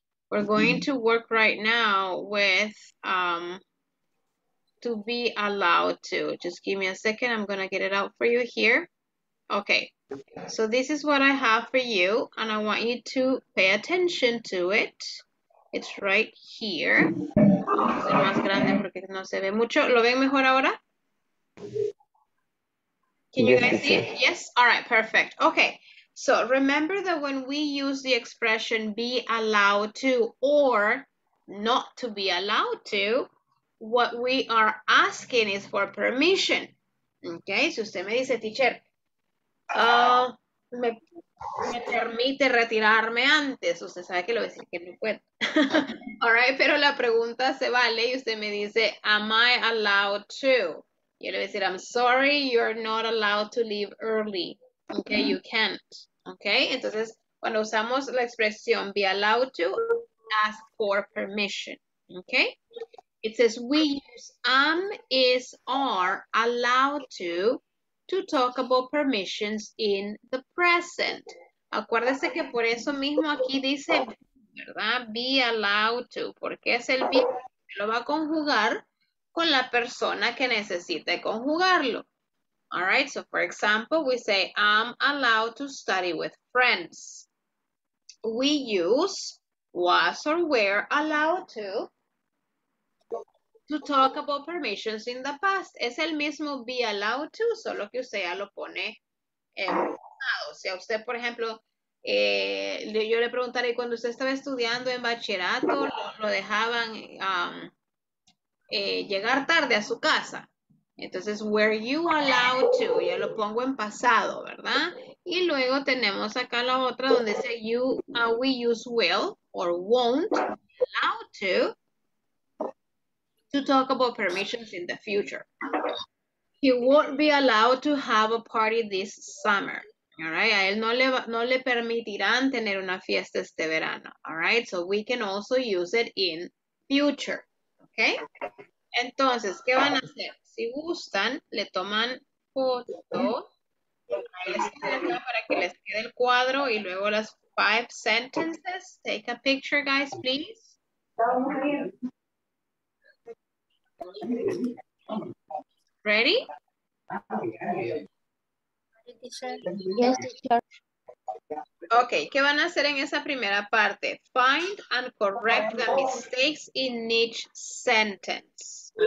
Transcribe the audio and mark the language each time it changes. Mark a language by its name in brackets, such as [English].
[English] We're going to work right now with to be allowed to. Just give me a second. I'm gonna get it out for you here. Okay, so this is what I have for you, and I want you to pay attention to it. It's right here. [Spanish] Ser más grande porque no se ve mucho. ¿Lo ven mejor ahora? [English] Can you guys see it? Yes? All right, perfect. Okay, so remember that when we use the expression be allowed to or not to be allowed to, what we are asking is for permission. [Spanish] Okay, si usted me dice, teacher, me permite retirarme antes, usted sabe que lo voy a decir que no puedo. All right, pero la pregunta se vale y usted me dice, [English] am I allowed to? [Spanish] Yo le voy a decir, [English] I'm sorry, you're not allowed to leave early. Okay, you can't. Okay, [Spanish] entonces, cuando usamos la expresión [English] be allowed to, ask for permission. Okay, it says we use am, is, are allowed to talk about permissions in the present. [Spanish] Acuérdese que por eso mismo aquí dice, ¿verdad? Be allowed to, porque es el be, lo va a conjugar con la persona que necesite conjugarlo. [English] All right, so for example, we say, I'm allowed to study with friends. We use was or were allowed to talk about permissions in the past. [Spanish] Es el mismo be allowed to, solo que usted ya lo pone en pasado. Si a usted, por ejemplo, yo le preguntaré, cuando usted estaba estudiando en bachillerato, lo dejaban... llegar tarde a su casa. Entonces, [English] were you allowed to? [Spanish] Ya lo pongo en pasado, ¿verdad? Y luego tenemos acá la otra donde dice [English] you, we use will or won't allowed to talk about permissions in the future. He won't be allowed to have a party this summer. All right? [Spanish] A él no le permitirán tener una fiesta este verano. All right? [English] So we can also use it in future. Ok, [Spanish] entonces, ¿qué van a hacer? Si gustan, le toman foto para que les quede el cuadro y luego las 5 sentences. [English] Take a picture, guys, please. Ready? Yes, teacher. [Spanish] Ok, ¿qué van a hacer en esa primera parte? [English] Find and correct the mistakes in each sentence.